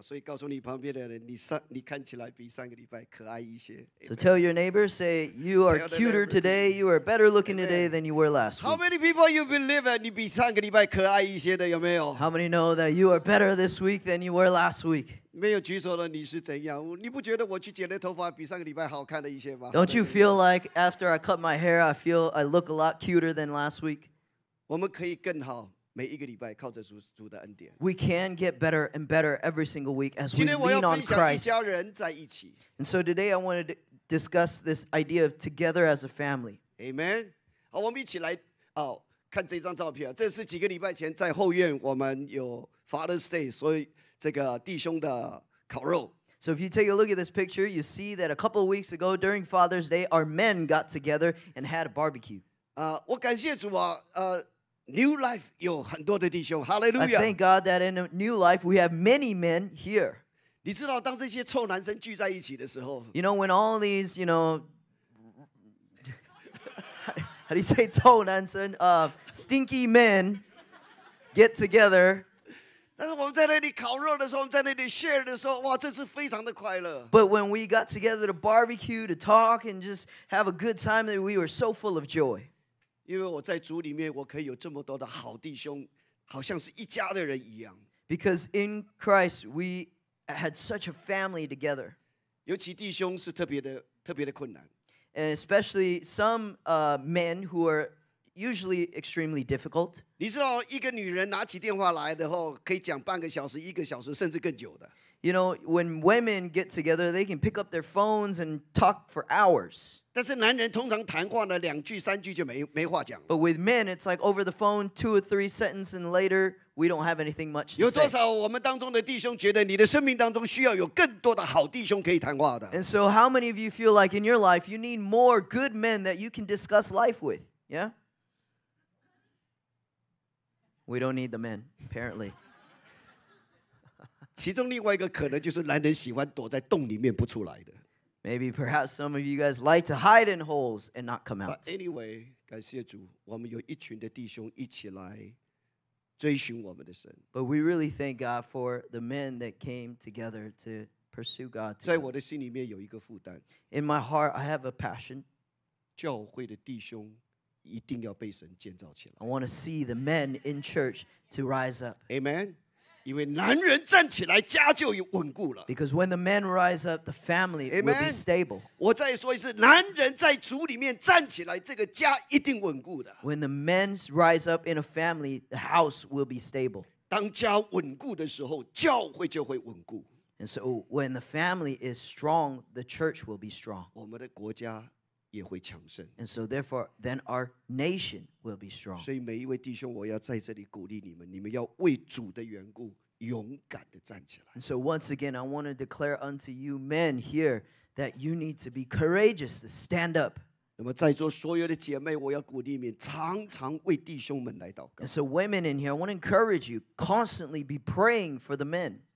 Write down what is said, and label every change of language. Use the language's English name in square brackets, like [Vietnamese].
[Chinese] 所以告诉你旁边的人，你看起来比上个礼拜可爱一些。 [English] So tell your neighbor, say, you are cuter today, you are better looking today than you were last week. How many people you believe that [Chinese] 你比上个礼拜可爱一些的，有没有？ [English] How many know that you are better this week than you were last week? [Chinese] 没有举手的你是怎样？你不觉得我去剪的头发比上个礼拜好看了一些吗 [English] ？Don't you feel like after I cut my hair, I look a lot cuter than last week? [Chinese] 我们可以更好，每一个礼拜靠着主的恩典。 [English] We can get better and better every single week as we lean on Christ. [Chinese] 今天我要分享一家人在一起。 [English] And so today I want to discuss this idea of together as a family. Amen. [Chinese] 好，我们一起来看这张照片。这是几个礼拜前在后院我们有 Father's Day， 所以。这个弟兄的烤肉。 [English] So if you take a look at this picture, you see that a couple of weeks ago during Father's Day, our men got together and had a barbecue. [Chinese] 我感谢主啊，New Life 有很多的弟兄 ，Hallelujah! [English] I thank God that in New Life we have many men here. [Chinese] 你知道当这些臭男生聚在一起的时候 [English] ，You know when all these, you know, how do you say [Chinese] 臭男生 [English] stinky men get together. [Chinese] 但是我们在那里烤肉的时候，我们在那里 share 的时候，哇，这是非常的快乐。 [English] But when we got together to barbecue, to talk and just have a good time, we were so full of joy. [Chinese] 因为我在主里面，我可以有这么多的好弟兄，好像是一家的人一样。 [English] Because in Christ, we had such a family together. [Chinese] 尤其弟兄是特别的困难。 [English] And especially some men who are. Usually extremely difficult. [Chinese] 你知道一个女人拿起电话来的话，可以讲半个小时、一个小时，甚至更久的。 [English] You know, when women get together, they can pick up their phones and talk for hours. [Chinese] 但是男人通常谈话呢，两句、三句就没话讲。 [English] But with men, it's like over the phone, two or three sentences, and later we don't have anything much to say. [Chinese] 有多少我们当中的弟兄觉得你的生命当中需要有更多的好弟兄可以谈话的 [English] ？And so, how many of you feel like in your life you need more good men that you can discuss life with? Yeah. We don't need the men, apparently. [Chinese] 其中另外一个可能就是男人喜欢躲在洞里面不出来的。 [English] Maybe perhaps some of you guys like to hide in holes and not come out. But anyway, [Chinese] 感谢主，我们有一群的弟兄一起来追寻我们的神。 [English] But we really thank God for the men that came together to pursue God. [Chinese] 在我的心里面有一个负担。 [English] In my heart, I have a passion. [Chinese] 教会的弟兄。一定要被神建造起来。 [English] I want to see the men in church to rise up. Amen. [Chinese] 因为男人站起来，家就稳固了。 [English] Because when the men rise up, the family will be stable. [Chinese] 我再说一次，男人在主里面站起来，这个家一定稳固的。 [English] When the men rise up in a family, the house will be stable. [Chinese] 当家稳固的时候，教会就会稳固。 [English] And so when the family is strong, the church will be strong. [Chinese] 我们的国家。也会强盛 [English] And so therefore, then our nation will be strong. [Chinese] 所以每一位弟兄，我要在这里鼓励你们，你们要为主的缘故勇敢地站起来。 [English] And so once again, I want to declare unto you men here that you need to be courageous to stand up. [Chinese] 那么在座所有的姐妹，我要鼓励你们常常为弟兄们来祷告。 [English] And so women in here, I want to encourage you constantly be praying for the men.